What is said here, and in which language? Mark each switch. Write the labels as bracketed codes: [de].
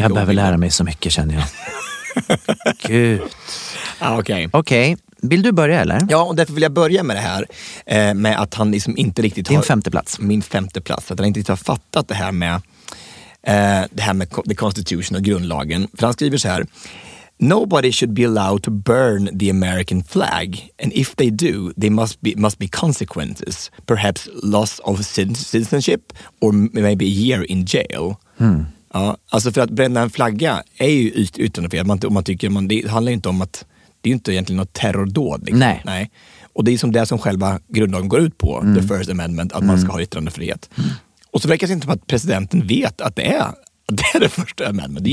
[sv] Jag behöver lära mig så mycket, känner jag. Gud. Ja, okej. Okej. Vill du börja eller? Ja, och därför vill jag börja med det här. Med att han liksom inte riktigt har... Din femte plats. Min femte plats. Att han inte riktigt har fattat det här med... det här med [en] the constitution [sv] och grundlagen. För han skriver så här: [en] nobody should be allowed to burn the American flag, and if they do, there must be consequences, perhaps loss of citizenship or maybe a year in jail. [sv] Mm. Ja, alltså för att bränna en flagga är ju utanför, det handlar inte om att det är inte egentligen något terrordåd liksom. Nej. Och det är som det som själva grundlagen går ut på, the First Amendment, att man ska ha yttrandefrihet. Och så verkar det inte som att presidenten vet att det är det första amendment.